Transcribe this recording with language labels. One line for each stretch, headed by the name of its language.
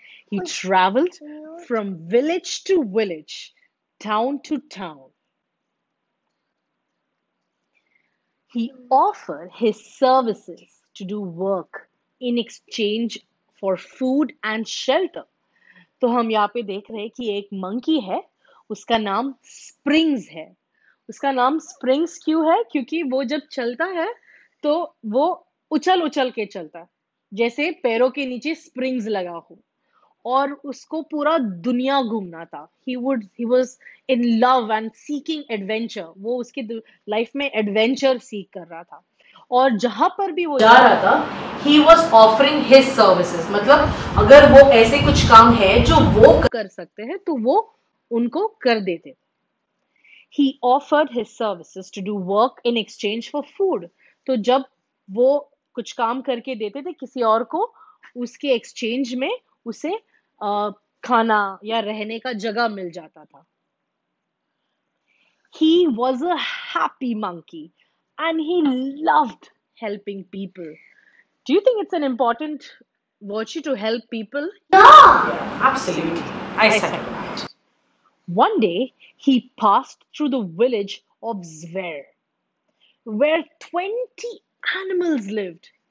English: He traveled from village to village, town to town. He offered his services to do work in exchange for food and shelter. So, we are seeing that a monkey is here. His name is Springs.
Hindi: उसका नाम springs क्यों है? क्योंकि वो जब चलता है तो वो उछल उछल के चलता है, जैसे पैरों के नीचे स्प्रिंग्स लगा हो. और उसको पूरा दुनिया घूमना था.
English: He was in love and seeking adventure.
Hindi: वो उसके लाइफ में एडवेंचर सीख कर रहा था. और जहां पर भी वो जा रहा था,
English: He was offering his services.
Hindi: मतलब अगर वो ऐसे कुछ काम है जो वो कर सकते हैं तो वो उनको कर देते.
English: He offered his services to do work in exchange for food.
Hindi: तो जब वो कुछ काम करके देते थे किसी और को, उसके एक्सचेंज में उसे खाना या रहने का जगह मिल जाता था.
English: He was a happy monkey and he loved helping people. Do you think it's an important virtue to help people? Yeah, absolutely. I said that. One day, he passed through the village of Zver, where 20 animals lived.